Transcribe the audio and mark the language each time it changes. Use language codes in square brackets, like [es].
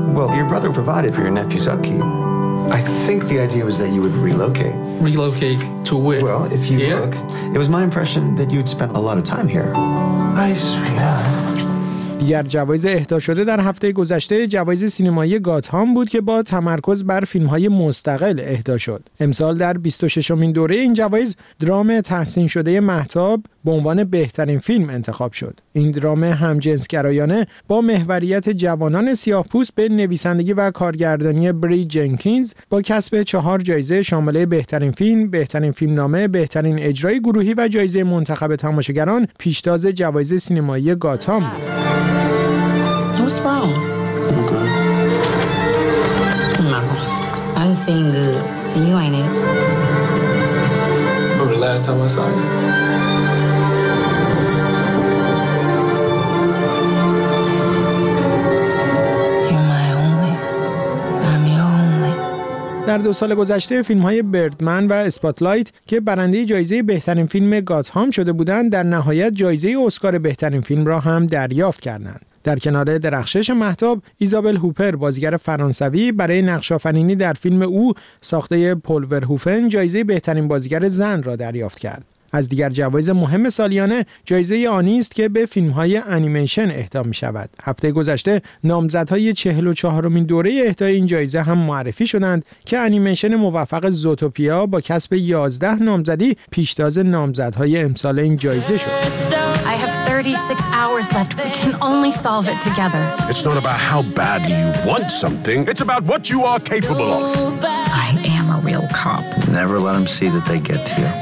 [en] Well, your brother provided for your nephew's upkeep. I think the idea was that you would relocate. Relocate to where? Well, if you look, it was my impression that you'd spent a lot of time here. Nice, sweetheart. [fa] دیگر جوایز اهدا شده در هفته گذشته جوایز سینمایی گاتهام بود که با تمرکز بر فیلم‌های مستقل اهدا شد. امسال در 26مین دوره این جوایز درام تحسین شده مهتاب به عنوان بهترین فیلم انتخاب شد. این درام همجنسگرایانه با محوریت جوانان سیاه‌پوست به نویسندگی و کارگردانی بری جنکینز با کسب 4 جایزه شامل بهترین فیلم، بهترین فیلمنامه، بهترین اجرای گروهی و جایزه منتخب تماشاگران پیشتاز جوایز سینمایی گاتهام بود. [en] What's wrong? I'm good. No, I'm saying good, and you ain't it. Remember the last time I saw you? [fa] در 2 گذشته فیلم‌های بردمن و اسپاتلایت که برنده جایزه بهترین فیلم گاتهام شده بودند در نهایت جایزه اسکار بهترین فیلم را هم دریافت کردند. در کنار درخشش مهتاب، ایزابل هوپر بازیگر فرانسوی برای نقش آفرینی در فیلم او ساخته پل ورهوفن جایزه بهترین بازیگر زن را دریافت کرد. از دیگر جوایز مهم سالیانه جایزه آنی است که به فیلم‌های انیمیشن اهدا می‌شود. هفته گذشته نامزدهای 44مین دوره اهدای این جایزه هم معرفی شدند که انیمیشن موفق زوتوپیا با کسب 11 نامزدی پیشتاز نامزدهای امسال این جایزه شد. [en] I have 36 hours left. We can only solve it together. It's not about how badly you want something. It's about what you are capable of. I am a real cop. Never let them see that they get to you.